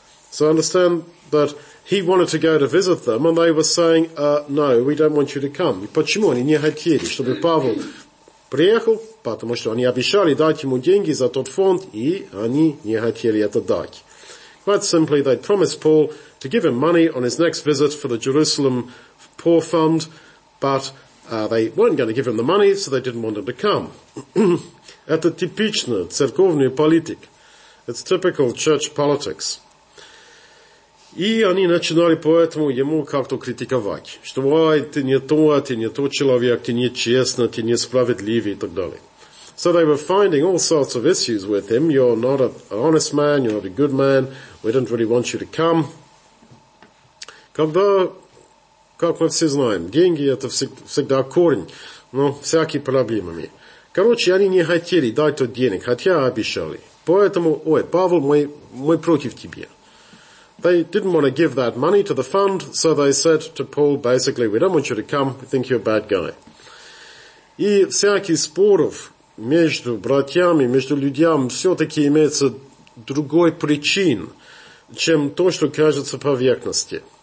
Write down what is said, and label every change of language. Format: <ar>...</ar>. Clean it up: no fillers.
<en>So understand that he wanted to go to visit them, and they were saying, no, we don't want you to come.</en> <ru>Почему они не хотели, чтобы Павел приехал? Потому что они обещали дать ему деньги за тот фонд, и они не хотели это дать.</ru> <en>Quite simply, they promised Paul to give him money on his next visit for the Jerusalem Poor Fund, but they weren't going to give him the money, so they didn't want him to come.</en> <ru>Это типично церковный политик.</ru> <en>It's typical church politics.</en> <ru>И они начинали поэтому ему как-то критиковать, что «Ой, ты не тот человек, ты нечестный, ты несправедливый» и так далее.</ru> <en>So they were finding all sorts of issues with him. You're not an honest man, you're not a good man, we didn't really want you to come.</en> <ru>Когда, как мы все знаем, деньги – это всегда корень, но всякие проблемами. Короче, они не хотели дать тот денег, хотя обещали. Поэтому, ой, Павел, мы против тебя.</ru> <en>They didn't want to give that money to the fund, so they said to Paul, basically, we don't want you to come, we think you're a bad guy.</en> <ru>И всяких споров между братьями, между людьми, все-таки имеется другой причин, чем то, что кажется поверхности.</ru>